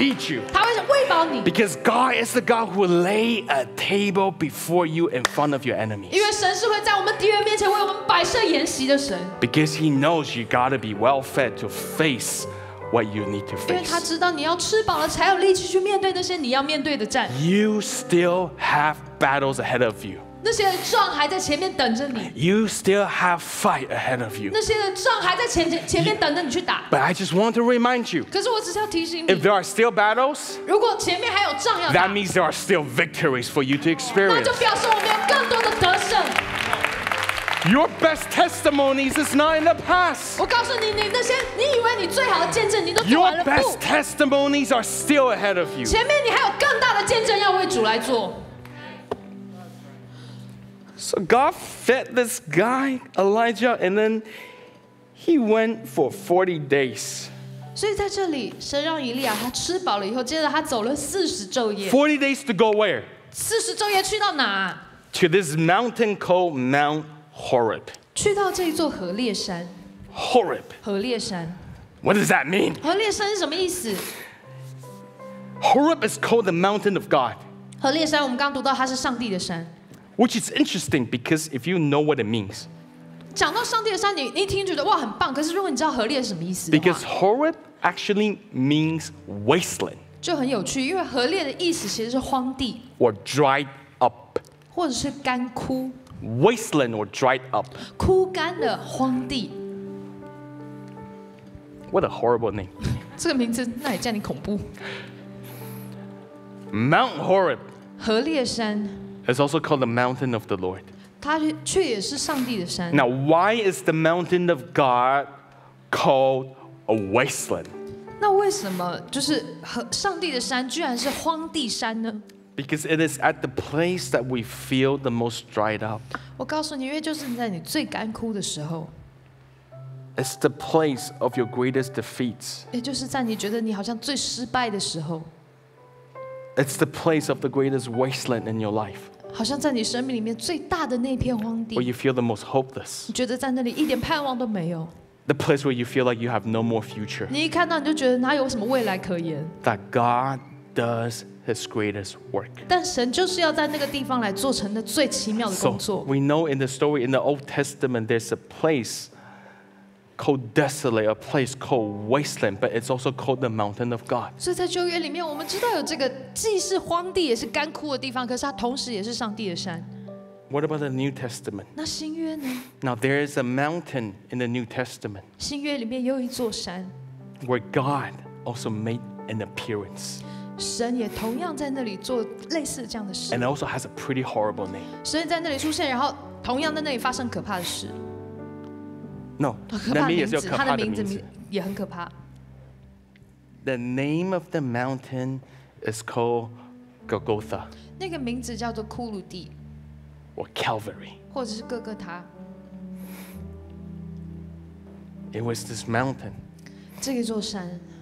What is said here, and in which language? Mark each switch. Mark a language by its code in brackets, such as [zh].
[en] He will feed you. [zh] 他会喂饱你 [en] Because God is the God who lay a table before you in front of your enemies. [zh] 因为神是会在我们敌人面前为我们摆设筵席的神 [en] Because he knows you gotta be well fed to face what you need to face. [zh] 因为他知道你要吃饱了，才有力气去面对那些你要面对的战 [en] You still have battles ahead of you. [zh] 那些仗还在前面等着你。 [en] You still have fight ahead of you. [zh] 那些仗还在前面等着你去打。 [en] But I just want to remind you. [zh] 可是我只是要提醒你。 [en] If there are still battles, [zh] 如果前面还有仗要打 [en] ，That means there are still victories for you to experience. [zh] 那就表示我们有更多的得胜。 [en] Your best testimonies is not in the past. [zh] 我告诉你，你那些你以为你最好的见证，你都做完了。 [en] Your best testimonies are still ahead of you. [zh] 前面你还有更大的见证要为主来做。 [en] So God fed this guy Elijah, and then he went for 40 days. [zh] 所以在这里，神让以利亚他吃饱了以后，接着他走了四十昼夜。 [en] 40 days to go where? [zh] 四十昼夜去到哪 [en] ？To this mountain called Mount Horeb. [zh] 去到这座何烈山。 [en] Horeb. [zh] 何烈山。 [en] What does that mean? [zh] 何烈山是什么意思 [en] ？Horeb is called the mountain of God. [zh] 何烈山，我们刚读到它是上帝的山。 [en] Which is interesting because if you know what it means, [zh] 讲到上帝的山，你听觉得哇很棒。可是如果你知道何烈是什么意思的话 [en] ，because Horeb actually means wasteland, [zh] 就很有趣，因为何烈的意思其实是荒地 [en] ，or dried up, [zh] 或者是干枯 [en] ，wasteland or dried up, [zh] 枯干的荒地。 [en] What a horrible name! [zh] 这个名字那也叫你恐怖。 [en] Mount Horeb, [zh] 何烈山。 [en] It's also called the mountain of the Lord. [zh] 它却也是上帝的山。 [en] Now, why is the mountain of God called a wasteland? [zh] 那为什么就是上帝的山居然是荒地山呢？ [en] Because it is at the place that we feel the most dried up. [zh] 我告诉你，因为就是在你最干枯的时候。 [en] It's the place of your greatest defeats. [zh] 也就是在你觉得你好像最失败的时候。 [en] It's the place of the greatest wasteland in your life. [zh] 好像在你生命里面最大的那片荒地。 [en] Where you feel the most hopeless. [zh] 你觉得在那里一点盼望都没有。 [en] The place where you feel like you have no more future. [zh] 你一看到你就觉得哪有什么未来可言。 [en] That God does His greatest work. [zh] 但神就是要在那个地方来做成那最奇妙的工作。 [en] So we know in the story in the Old Testament, there's a place called desolate, a place called wasteland, but it's also called the mountain of God. [zh] 所以在旧约里面，我们知道有这个既是荒地也是干枯的地方，可是它同时也是上帝的山。 [en] What about the New Testament? [zh] 那新约呢 [en] ？Now there is a mountain in the New Testament. [zh] 新约里面有一座山 [en] ，where God also made an appearance. [zh] 神也同样在那里做类似这样的事。 [en] And also has a pretty horrible name. [zh] 神在那里出现，然后同样在那里发生可怕的事。 [en] No, [zh] 那名也是有可怕的名字，也很可怕。 [en] The name of the mountain is called Golgotha. [zh] 那个名字叫做骷髅地。 [en] Or Calvary. [zh] 或者是哥哥他。 [en] It was this mountain. [zh] 这座山。